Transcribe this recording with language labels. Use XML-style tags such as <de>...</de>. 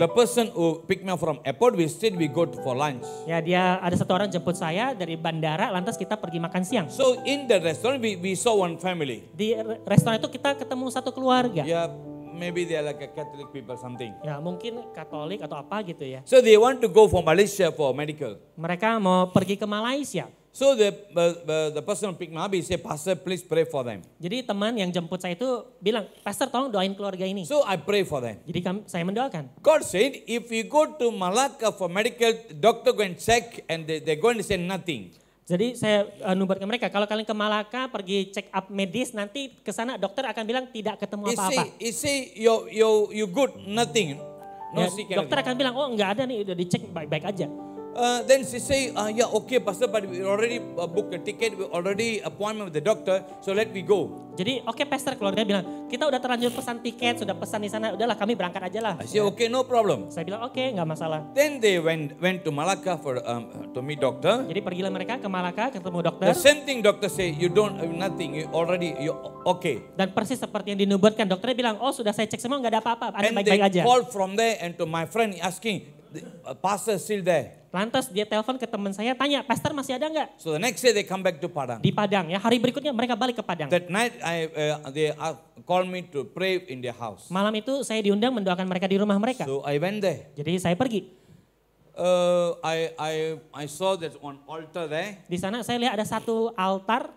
<en>The person who pick me from airport, we go for lunch.</en> <id>Ya, dia ada satu orang jemput saya dari bandara, lantas kita pergi makan siang.</id> <en>So in the restaurant we saw one family.</en> <id>Di restoran itu kita ketemu satu keluarga.</id> <en>Yeah, maybe they are like a Catholic people something.</en> <id>Ya, mungkin Katolik atau apa gitu ya.</id> <en>So they want to go for Malaysia for medical.</en> <id>Mereka mau pergi ke Malaysia.</id> <en>So the person pick me up, he say, Pastor, please pray for them.</en> <id>Jadi teman yang jemput saya itu bilang, Pastor, tolong doain keluarga ini.</id> <en>So I pray for them.</en> <id>Jadi saya mendoakan.</id> <en>God said, if you go to Malacca for medical, doctor go and check, and they go and say nothing.</en> <id>Jadi saya nubuat ke mereka, kalau kalian ke Malacca pergi check up medis, nanti ke sana dokter akan bilang tidak ketemu apa-apa.</id> <en>You good, nothing. No ya, sick</en> <id>dokter anything. Akan bilang, oh enggak ada nih, udah dicek baik-baik aja.</id> <en>Then she say, okay Pastor, but we already book a ticket, we already appointment with the doctor, so let me go.</en> <id>Jadi okay Pastor, keluarga bilang, kita udah terlanjur pesan tiket, sudah pesan di sana, udahlah kami berangkat aja lah.</id> <en>I say, okay, no problem.</en> <id>Saya bilang, okay, enggak masalah.</id> <en>Then they went to Malacca for to meet doctor.</en> <id>Jadi pergilah mereka ke Malacca, ketemu dokter.</id> <en>The same thing doctor say, you don't have nothing, you already, you okay.</en> <id>Dan persis seperti yang dinubuatkan, dokternya bilang, oh sudah saya cek semua, enggak ada apa-apa, Anda baik-baik aja.</id> <en>And they call from there and to my friend asking, Pastor still there.</en> <id>Lantas dia telepon ke teman saya tanya, Pastor masih ada enggak?</id> <en>So the next day they come back to Padang.</en> <id>Di Padang ya, hari berikutnya mereka balik ke Padang.</id> <en>That night they call me to pray in their house.</en> <id>Malam itu saya diundang mendoakan mereka di rumah mereka.</id> <en>So I went there.</en> <id>Jadi saya pergi.</id> <en>I saw that one altar there.</en> <id>Di sana saya lihat ada satu altar.</id>